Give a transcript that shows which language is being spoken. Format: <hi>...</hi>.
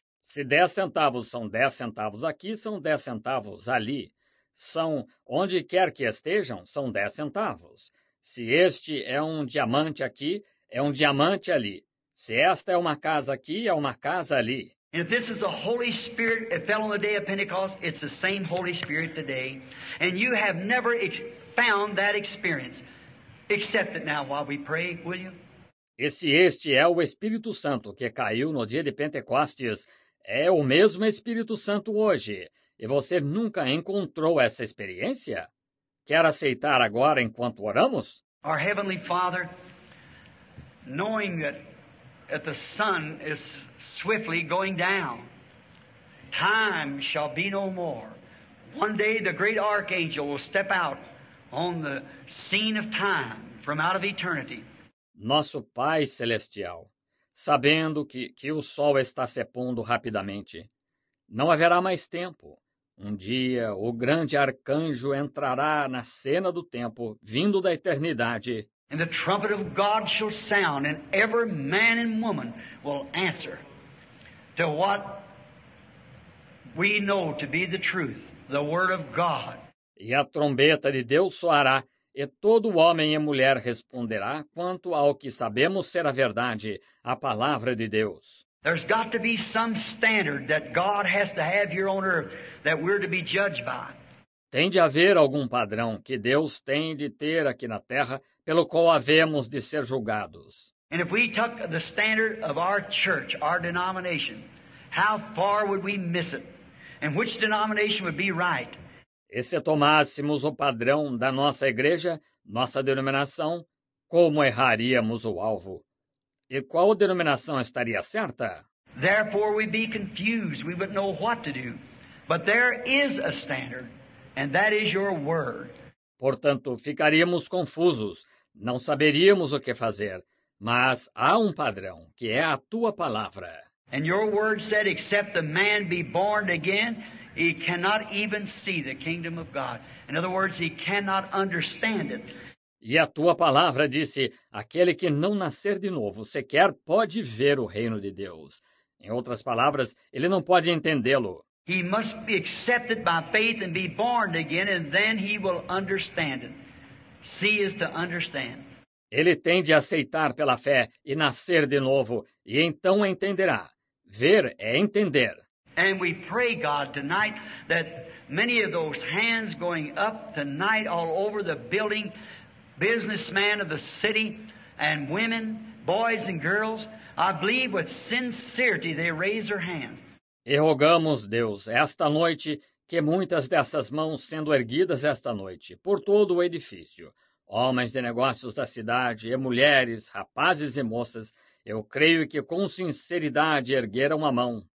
<pt>Se 10 centavos são 10 centavos aqui, são 10 centavos ali. São onde quer que estejam, são 10 centavos. Se este é um diamante aqui, é um diamante ali. Se esta é uma casa aqui, é uma casa ali.</pt> <en>And if this is the Holy Spirit that fell on the day of Pentecost, it's the same Holy Spirit today. And you have never found that experience. Accept it now while we pray, will you?</en> <pt>E se este é o Espírito Santo que caiu no dia de Pentecostes, é o mesmo Espírito Santo hoje. E você nunca encontrou essa experiência? Quer aceitar agora enquanto oramos?</pt> <en>Our Heavenly Father, knowing that the sun is swiftly going down. Time shall be no more. One day the great archangel will step out on the scene of time from out of eternity.</en> <pt>Nosso Pai Celestial, sabendo que o sol está se pondo rapidamente, não haverá mais tempo. Um dia o grande arcanjo entrará na cena do tempo, vindo da eternidade.</pt> <en>And the trumpet of God shall sound, and every man and woman will answer to what we know to be the truth, the Word of God.</en> <pt>E a trombeta de Deus soará, e todo homem e mulher responderá quanto ao que sabemos ser a verdade, a palavra de Deus.</pt> <en>There's got to be some standard that God has to have here on earth that we're to be judged by.</en> <pt>Tem de haver algum padrão que Deus tem de ter aqui na terra pelo qual havemos de ser julgados.</pt> <en>And if we took the standard of our church, our denomination, how far would we miss it? And which denomination would be right?</en> <pt>E se tomássemos o padrão da nossa igreja, nossa denominação, como erraríamos o alvo? E qual denominação estaria certa?</pt> <en>Therefore we'd be confused, we wouldn't know what to do. But there is a standard, and that is your word.</en> <pt>Portanto, ficaríamos confusos, não saberíamos o que fazer, mas há um padrão, que é a tua palavra.</pt> <en>And your word said, except a man be born again, he cannot even see the kingdom of God. In other words, he cannot understand it.</en> <pt>E a tua palavra disse, aquele que não nascer de novo sequer pode ver o reino de Deus. Em outras palavras, ele não pode entendê-lo.</pt> <en>He must be accepted by faith and be born again, and then he will understand it. See is to understand.</en> <pt>Ele tem de aceitar pela fé e nascer de novo, e então entenderá. Ver é entender.</pt> <en>And we pray, God, tonight that many of those hands going up tonight all over the building, businessmen of the city and women, boys and girls, I believe with sincerity they raise their hands.</en> <pt>E rogamos, Deus, esta noite, que muitas dessas mãos sendo erguidas esta noite por todo o edifício, homens de negócios da cidade e mulheres, rapazes e moças, eu creio que com sinceridade ergueram a mão.</pt>